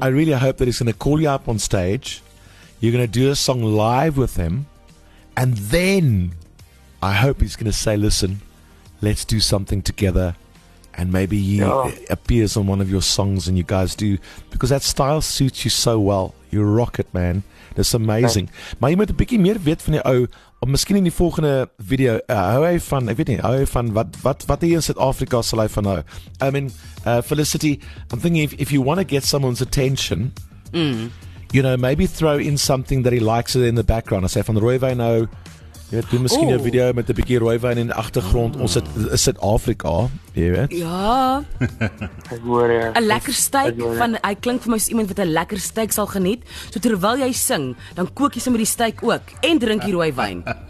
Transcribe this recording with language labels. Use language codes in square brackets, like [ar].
[en] I really hope that he's going to call you up on stage. You're going to do a song live with him. And then I hope he's going to say, listen, let's do something together. And maybe he appears on one of your songs and you guys do. Because that style suits you so well. You rock it, man. It's amazing. [af] Maar jy moet 'n bietjie meer weet van jou ou. Of miskien in die volgende video, wat hier in Suid-Afrika sal hy van nou? [en] I mean, Felicity, I'm thinking if you want to get someone's attention, you know, maybe throw in something that he likes in the background. I say, [af] van Rooiwyn nou, jy weet, doen miskien 'n video met 'n bietjie Rooiwyn in die achtergrond. Ons het Suid-Afrika, jy weet. Ja. Een lekker steak, hy klink vir my soos iemand wat 'n lekker steak sal geniet. So terwyl jy sing, dan kook jy sommer die steak ook en drink die Rooiwyn.